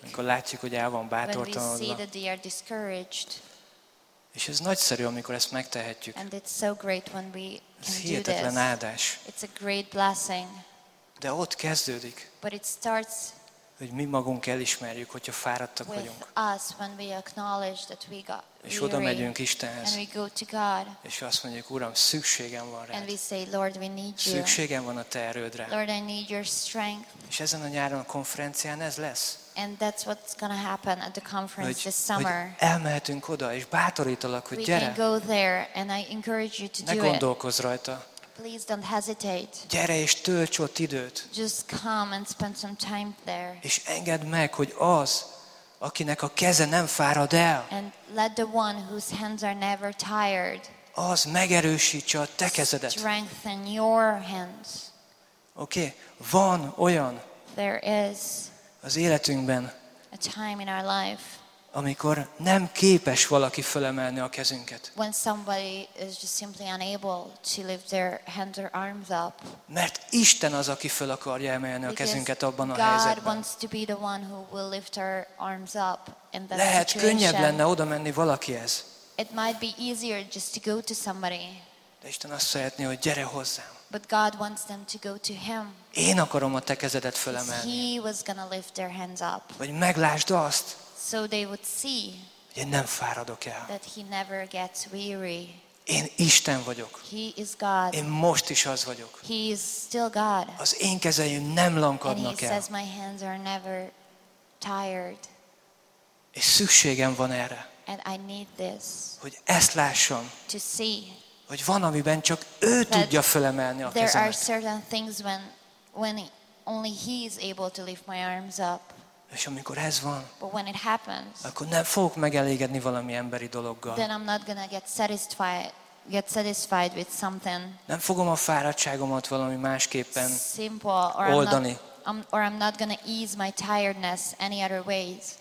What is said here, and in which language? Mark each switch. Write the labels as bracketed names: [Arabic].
[Hungarian] Amikor látjuk, hogy el van bátortalanodva. [English] When we see that they are discouraged. [Hungarian] És ez nagyszerű, amikor ezt megtehetjük. [English] And it's so great when we can [Hungarian] ez hihetetlen áldás. [English] It's a great blessing. [Hungarian] De ott kezdődik. [English] But it starts. [Hungarian] Hogy mi magunk elismerjük, hogyha fáradtak [English] with [Hungarian] vagyunk. [English] Us when we acknowledge that we got weary, [Hungarian] és oda megyünk Istenhez. [English] And we go to God, [Hungarian] és azt mondjuk, Uram, szükségem van rád. [English] And we say, Lord, we need you. [Hungarian] Szükségem van a te erődre. [English] Lord, I need your strength. [Hungarian] És ezen a nyáron a konferencián ez lesz. [English] And that's what's gonna happen at the conference [Hungarian] hogy, [English] this summer. [Hungarian] Hogy elmehetünk oda, és bátorítalak, hogy [English] we [Hungarian] gyere. [English] We can go there, and I encourage you to [Hungarian] ne [English] do it. [Hungarian] Ne gondolkozz rajta. [English] Please don't hesitate. [Hungarian] Gyere és tölts ott időt. [English] Just come and spend some time there. [Hungarian] És engedd meg, hogy az, akinek a keze nem fárad el. [English] And let the one whose hands are never tired. [Hungarian] Az megerősítse a te kezedet. [English] Strengthen your hands. [Hungarian] Okay, van olyan. [English] There is. [Hungarian] Az életünkben. [English] A time in our life. [Hungarian] Amikor nem képes valaki fölemelni a kezünket. [English] When somebody is just simply unable to lift their hands or arms up. [Hungarian] Mert Isten az, aki föl akarja emelni a kezünket abban a [English] God God wants to be the one who will lift our arms up in that [Hungarian] Lehet [English] situation. [Hungarian] Könnyebb lenne oda menni valakihez. [English] It might be easier just to go to somebody. [Hungarian] De Isten azt szeretné, hogy gyere hozzám. [English] But God wants them to go to him. [Hungarian] Én akarom a te kezedet fölemelni. [English] He was gonna lift their hands up. [Hungarian] Hogy meglásd azt. [English] So they would see [Hungarian] én nem fáradok el. [English] That he never gets weary. [Hungarian] Én Isten vagyok. [English] He is God. [Hungarian] Én most is az vagyok. [English] He is still God. [Hungarian] Az én kezeim nem lankadnak el. [English] And he says, my hands are never tired. [Hungarian] És szükségem van erre. [English] And I need this. [Hungarian] Hogy ezt lássam. [English] To see. [Hungarian] Hogy van, amiben csak ő tudja fölemelni a kezemet. [English] There are certain things when only he is able to lift my arms up. [Hungarian] És amikor ez van, [English] but when it happens, [Hungarian] akkor nem fogok megelégedni valami emberi dologgal. [English] Then I'm not gonna get satisfied with something. [Hungarian] Nem fogom a fáradtságomat valami másképpen [English] simple, or [Hungarian] oldani. [English] I'm not gonna ease my tiredness any other ways.